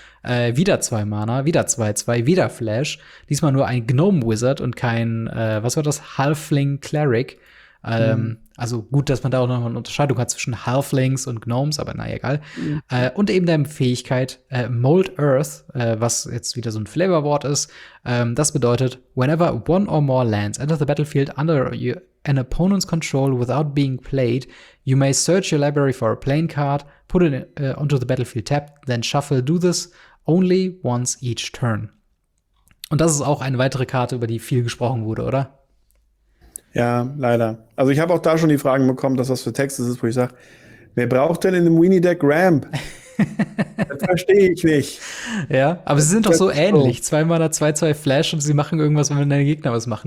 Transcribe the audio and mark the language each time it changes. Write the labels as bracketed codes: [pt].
[de] Wieder zwei Mana, wieder 2/2, wieder Flash. Diesmal nur ein Gnome Wizard und kein, was war das? Halfling Cleric. Also gut, dass man da auch noch eine Unterscheidung hat zwischen Halflings und Gnomes, aber naja, egal. Mhm. Und eben der Fähigkeit Mold Earth, was jetzt wieder so ein Flavorwort ist. Das bedeutet, [en] whenever one or more lands enter the battlefield under an opponent's control without being played, you may search your library for a playing card, put it onto the battlefield tapped, then shuffle, do this only once each turn. [de] Und das ist auch eine weitere Karte, über die viel gesprochen wurde, oder? Ja, leider. Also ich habe auch da schon die Fragen bekommen, dass das für Text ist, wo ich sage, wer braucht denn in dem Weenie Deck Ramp? Das verstehe ich nicht. Ja, aber sie sind doch so ähnlich. Zwei Mana, zwei, zwei Flash, und sie machen irgendwas, wenn deine Gegner was machen.